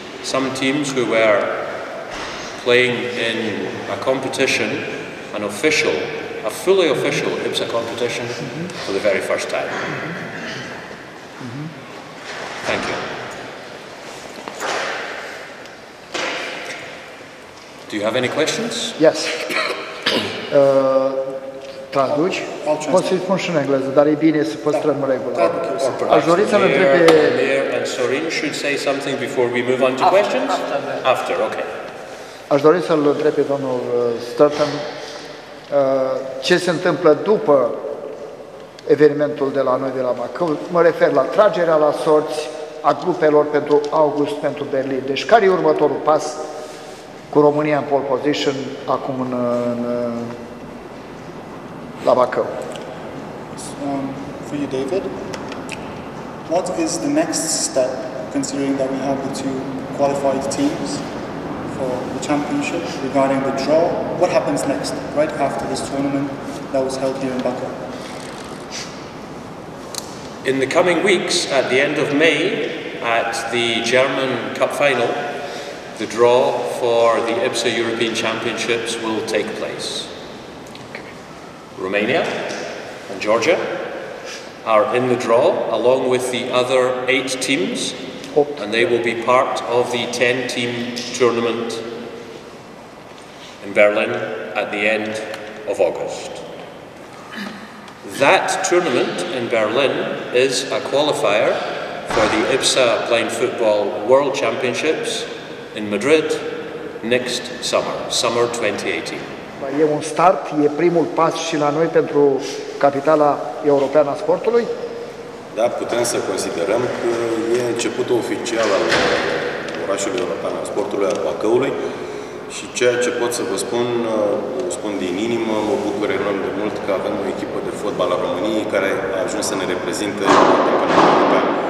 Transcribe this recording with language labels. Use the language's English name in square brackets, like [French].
[English] Some teams who were playing in a competition, a fully official IBSA competition, for the very first time. Thank you. Do you have any questions? Yes. [Romanian] Traduci? Poți să-i spun și în engleză, dar e bine să păstrăm regulile. Aș dori să-l întreb pe... [English] Mir and Sorin should say something before we move on to questions? After, ok. [Romanian] Aș dori să-l întreb pe domnul Sturton ce se întâmplă după evenimentul de la noi de la Bacău. Mă refer la tragerea la sorți a grupelor pentru august, pentru Berlin. Deci care e următorul pas cu România în pole position acum în La Bacău. [English] For you, David, what is the next step, considering that we have the two qualified teams for the championship, regarding the draw? What happens next, right after this tournament that was held here in Bacău? In the coming weeks, at the end of May, at the German Cup final, the draw for the IBSA European Championships will take place. Romania and Georgia are in the draw, along with the other eight teams, and they will be part of the 10-team tournament in Berlin at the end of August. That tournament in Berlin is a qualifier for the IBSA Blind Football World Championships in Madrid next summer, summer 2018. [Romanian] E un start, e primul pas și la noi pentru capitala europeană a sportului? Da, putem să considerăm că e începutul oficial al orașului european al sportului, al Bacăului. Și ceea ce pot să vă spun, o spun din inimă, mă bucur enorm de mult că avem o echipă de fotbal a României care a ajuns să ne reprezinte campionatul european.